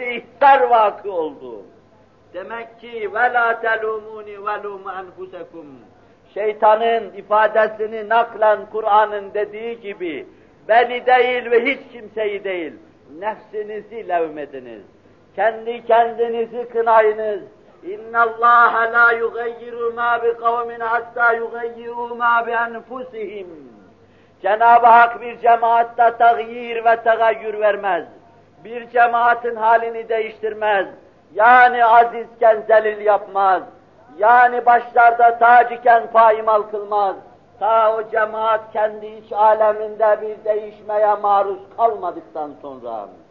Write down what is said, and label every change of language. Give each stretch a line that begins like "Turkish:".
Turkish: İhtar vakı oldu. Demek ki
Arabic: وَلَا تَلُومُونِ وَلُومُ أَنْفُسَكُمْ
Turkish: Şeytanın ifadesini naklen Kur'an'ın dediği gibi beni değil ve hiç kimseyi değil, nefsinizi levmediniz. Kendi kendinizi kınayınız.
Arabic: اِنَّ اللّٰهَ لَا يُغَيِّرُ مَا بِقَوْمٍ حَتَّى يُغَيِّرُوا مَا بِأَنْفُسِهِمْ
Turkish: Cenab-ı Hak bir cemaatte tağyir ve tegayyür vermez. Bir cemaatin halini değiştirmez. Yani azizken zelil yapmaz. Yani başlarda tac iken faimal kılmaz. Ta o cemaat kendi iç aleminde bir değişmeye maruz kalmadıktan sonra.